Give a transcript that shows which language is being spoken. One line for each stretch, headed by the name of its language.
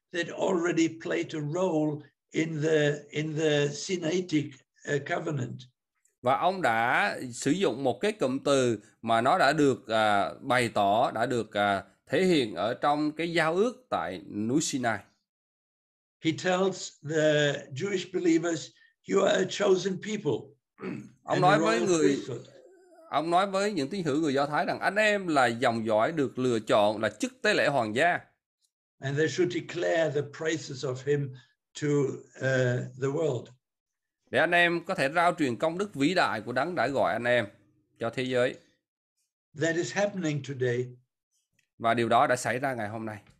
English: that already played a role in the Sinaitic covenant.
Vietnamese: Và ông đã sử dụng một cái cụm từ mà nó đã được bày tỏ, đã được thể hiện ở trong cái giao ước tại núi Sinai.
English: He tells the Jewish believers, "You are a chosen people."
Vietnamese: Ông nói với người, ông nói với những tín hữu người Do Thái rằng anh em là dòng dõi được lựa chọn, là chức tế lễ hoàng gia.
English: And they should declare the praises of him to the world.
Vietnamese: Để anh em có thể rao truyền công đức vĩ đại của Đấng đã gọi anh em cho thế giới.
English: That is happening today.
Vietnamese: Và điều đó đã xảy ra ngày hôm nay.